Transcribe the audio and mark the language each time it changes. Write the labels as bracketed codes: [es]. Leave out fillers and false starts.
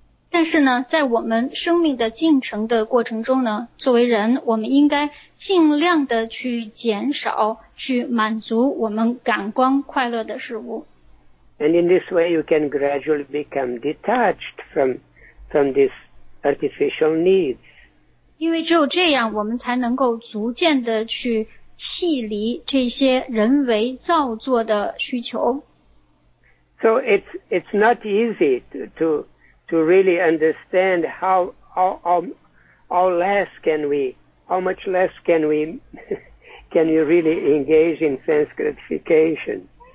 [zh] 但是呢，在我们生命的进程的过程中呢，作为人，我们应该尽量的去减少，去满足我们感官快乐的事物。 [en] And in this way, you can gradually become detached from this. Artificial needs. [zh] 因为只有这样，我们才能够逐渐的去弃离这些人为造作的需求。 [en] So it's not easy to really understand how much less can we really engage in sense gratification.